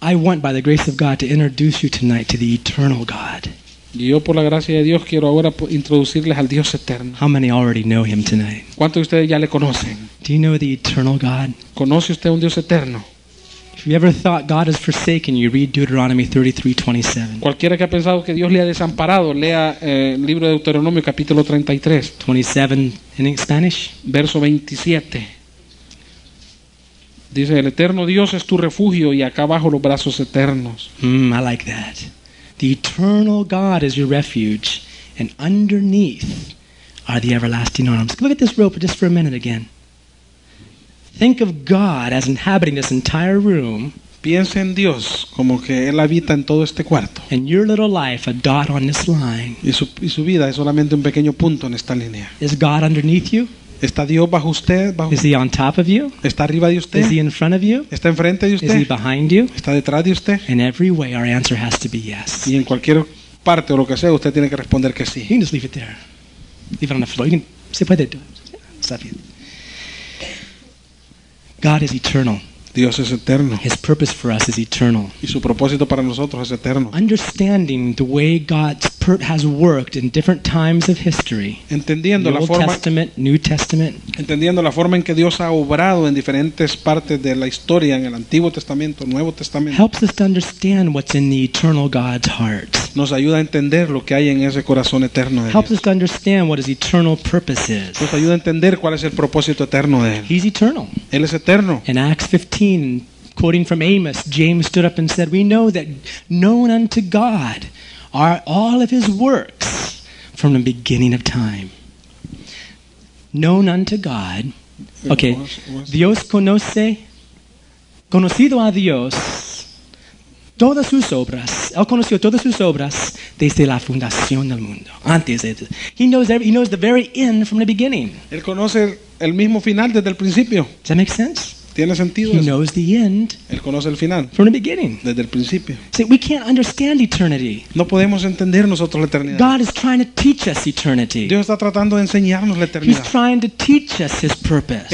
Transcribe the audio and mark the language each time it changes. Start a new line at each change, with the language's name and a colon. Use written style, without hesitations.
English: I want by the grace of God to introduce you tonight to the eternal God.
Spanish: Yo por la gracia de Dios quiero ahora introducirles al Dios eterno.
English: How many already know him tonight?
Spanish: ¿Cuántos de ustedes ya le conocen?
English: Do you know the eternal God?
Spanish: ¿Conoce usted un Dios eterno?
English: If you ever thought God has forsaken you, read Deuteronomy 33:27.
Spanish: Cualquiera que ha pensado que Dios le ha desamparado, lea el libro de Deuteronomio capítulo 33,
English: 27 in Spanish.
Spanish: Verso 27. Dice, "El eterno Dios es tu refugio y acá abajo los brazos eternos."
English: I like that. The eternal God is your refuge and underneath are the everlasting arms. Look at this rope just for a minute again. Think of God as inhabiting this entire room.
Spanish: Piensa en Dios como que él habita en todo este cuarto.
English: And your little life a dot on this line.
Spanish: Y su vida es solamente un pequeño punto en esta línea.
English: Is God underneath you?
Spanish: ¿Está Dios bajo usted? Bajo.
English: Is he on top of you?
Spanish: ¿Está arriba de usted?
English: Is he in front of you?
Spanish: ¿Está enfrente de usted?
English: Is he behind you?
Spanish: ¿Está detrás de usted?
English: In every way our answer has to be yes.
Spanish: Y en cualquier parte o lo que sea usted tiene que responder que sí.
English: You can just leave it there. Leave it on the floor.
Spanish: Se puede
English: do it.
Spanish: Está bien.
English: God is eternal.
Spanish: Dios es eterno.
English: His purpose for us is eternal.
Spanish: Y su propósito para nosotros es eterno.
English: Understanding the way God's has worked in different times of history.
Spanish: Entendiendo la forma,
English: Old Testament, New Testament.
Spanish: Entendiendo la forma en que Dios ha obrado en diferentes partes de la historia, en el Antiguo Testamento, Nuevo Testamento.
English: Helps us to understand what's in the eternal God's heart.
Spanish: Nos ayuda a entender lo que hay en ese corazón eterno de Dios.
English: Helps us to understand what his eternal purpose is.
Spanish: Nos ayuda a entender cuál es el propósito eterno de él.
English: He's eternal.
Spanish: Él es eterno.
English: In Acts 15, quoting from Amos, James stood up and said, "We know that known unto God are all of his works from the beginning of time." Known unto God. Okay.
Spanish: Dios conoce, conocido a Dios, todas sus obras. Él conoció todas sus obras desde la fundación del mundo. Antes de,
English: he knows the very end from the beginning.
Spanish: Él conoce el mismo final desde el principio.
English: Does that make sense?
Spanish: ¿Tiene sentido
English: he
Spanish: eso?
English: Knows the end.
Spanish: Él conoce el final.
English: From the beginning.
Spanish: Desde el principio.
English: See, we can't understand eternity.
Spanish: No podemos entender nosotros la eternidad.
English: God is trying to teach us eternity.
Spanish: Dios está tratando de enseñarnos la eternidad.
English: He's trying to teach us his purpose.